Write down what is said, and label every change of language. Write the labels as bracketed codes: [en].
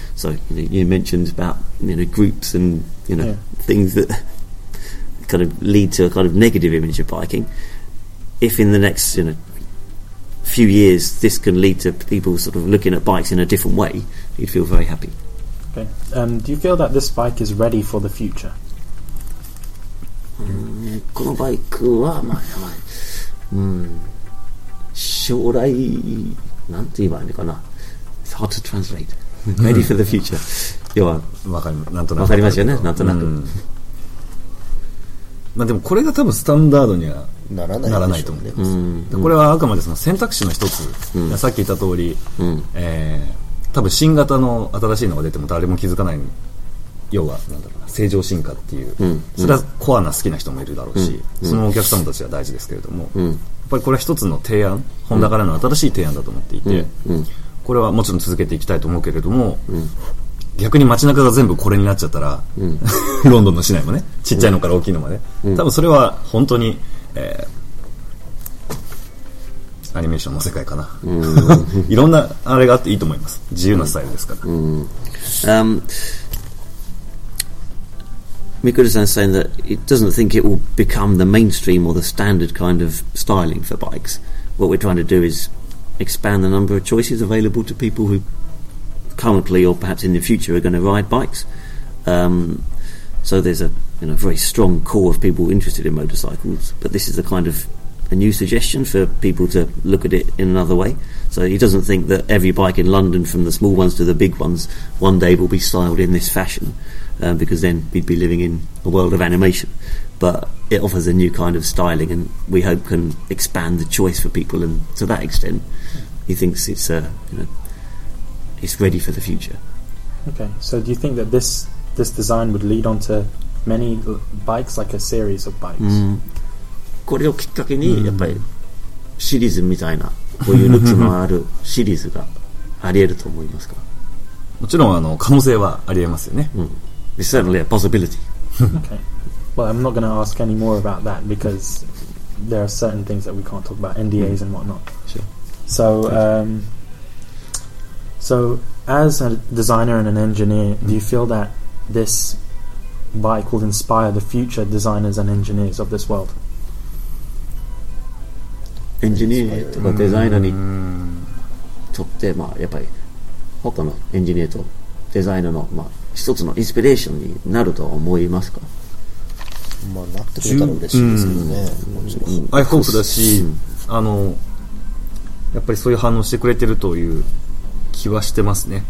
[en] So, you know, you mentioned about, you know, groups and, you know, yeah, things that kind of lead to a kind of negative image of biking. If in the next, you know, few years this can lead to people sort of looking at bikes in a different way, he'd feel very happy. Okay. Do you feel that this bike is ready for the future? [ja] このバイクは、まあ、まあ、将来、なんて言えばいいのかな。 [en] It's hard to translate. Ready for the future. [ja] 要は、わかる、なんとなく。わかりますよね、なんとなく。まあでもこれが多分スタンダードにはならないと思ならないと思います。で、これはあくまでその選択肢の一つ、うん。さっき言った通り、うん、多分新型の新しいのが出ても誰も気づかない、要はなんだろうな、正常進化っていう、うん、それはコアな好きな人もいるだろうし、うん、そのお客様たちは大事ですけれども、うん、やっぱりこれは一つの提案、ホンダからの新しい提案だと思っていて、うん、これはもちろん続けていきたいと思うけれども、うん、逆に街中が全部これになっちゃったら、うん、ロンドンの市内もね、ちっちゃいのから大きいのまで、うん、多分それは本当に、アニメーションの世界かな。いろんなあれがあっていいと思います。自由なスタイルですから。 [en] Mikuru-san is saying that he doesn't think it will become the mainstream or the standard kind of styling for bikes. What we're trying to do is expand the number of choices available to people who currently or perhaps in the future are going to ride bikes. So there's a, you know, very strong core of people interested in motorcycles, but this is the kind of a new suggestion for people to look at it in another way. So he doesn't think that every bike in London, from the small ones to the big ones, one day will be styled in this fashion, because then we'd be living in a world of animation. But it offers a new kind of styling, and we hope can expand the choice for people. And to that extent, he thinks it's, you know, it's ready for the future. Okay, so do you think that this design would lead on to many bikes, like a series of bikes? Mm. [ja] これをきっかけにやっぱりシリーズみたいなこういうルーツのあるシリーズがありえると思いますか。もちろんあの可能性はありえますよね。 [en] うん、It's certainly a possibility. Okay. Well, I'm not going to ask any more about that because there are certain things that we can't talk about, NDAs and whatnot. Sure. So, so as a designer and an engineer, do you feel that this bike will inspire the future designers and engineers of this world? [ja] エンジニアとかデザイナーにとって、まあ、やっぱり他のエンジニアとデザイナーの、まあ、一つのインスピレーションになると思いますか。まあ、なってくれたら嬉しいですけどね。 [en] I hope [ja] だし、あの、やっぱりそういう反応してくれてるという気はしてますね。